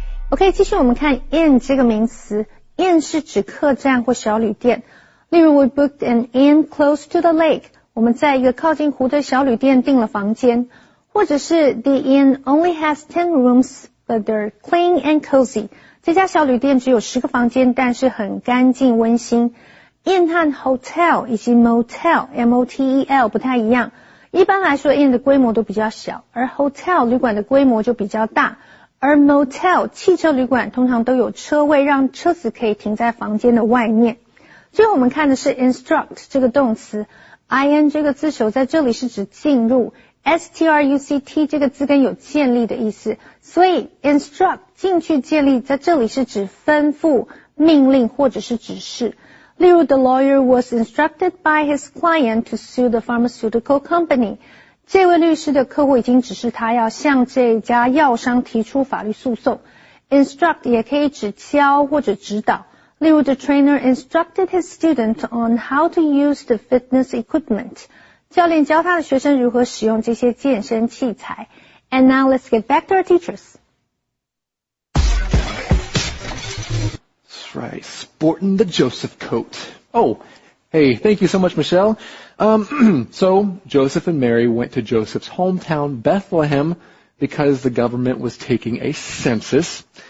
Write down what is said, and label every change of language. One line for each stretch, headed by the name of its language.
Chinese: OK, 继续我们看 inn 这个名词。inn 是指客栈或小旅店。例如
English: we booked an inn close to the lake.
Chinese: 我们在一个靠近湖的小旅店订了房间。或者是
English: the inn only has 10 rooms, but they're clean and cozy.
Chinese: 这家小旅店只有10个房间但是很干净温馨。 inn 和 hotel 以及 motel, M-O-T-E-L 不太一样。一般来说 inn 的规模都比较小而 hotel 旅馆的规模就比较大。而 motel 汽车旅馆通常都有车位让车子可以停在房间的外面。最后我们看的是 instruct 这个动词 ,in 这个字首在这里是指进入 ,struct 这个字根有建立的意思。所以 instruct 进去建立在这里是指吩咐命令或者是指示。例如
English: the lawyer was instructed by his client to sue the pharmaceutical company.
Chinese: 这位律师的客户已经指示他要向这家药商提出法律诉讼。 Instruct 也可以指教或者指导。例如
English: the trainer instructed his student on how to use the fitness equipment.
Chinese: 教练教他的学生如何使用这些健身器材。
English: And now let's get back to our teachers. That's right, sporting the Joseph coat. Oh, hey, thank you so much, Michelle. So Joseph and Mary went to Joseph's hometown, Bethlehem, because the government was taking a census.